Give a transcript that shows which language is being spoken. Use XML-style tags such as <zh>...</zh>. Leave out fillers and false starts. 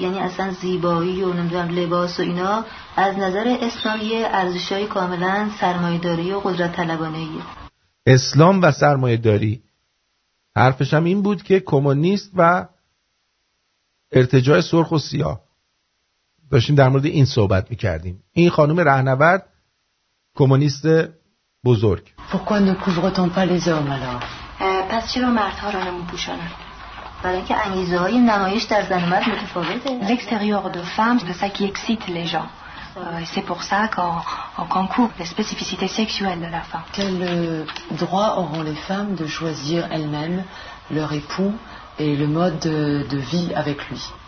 <fa>یعنی اصلا زیبایی و نمیدونم لباس و اینا از نظر اسلام یه ارزشای کاملا سرمایه‌داری و قدرت طلبانه‌ایه. اسلام و سرمایه‌داری. حرفش هم این بود که کمونیست و ارتجاع سرخ و سیاه. داشتیم در مورد این صحبت می‌کردیم. این خانم رهنورد کمونیست بزرگ.</fa> <fr>Pourquoi ne couvre-t-on pas les hommes alors?</fr> <fa>پس چرا مردها را نمی‌پوشانند؟ برای اینکه انگیزه های نمایش در زن و مرد متفاوته.</fa> <fr>L'extérieur de femme, c'est ça qui excite les gens. C'est pour ça qu'on concourt les spécificités sexuelles de la femme. Quel droit auront les femmes de choisir elles-mêmes leur époux et le mode de vie avec lui?</fr>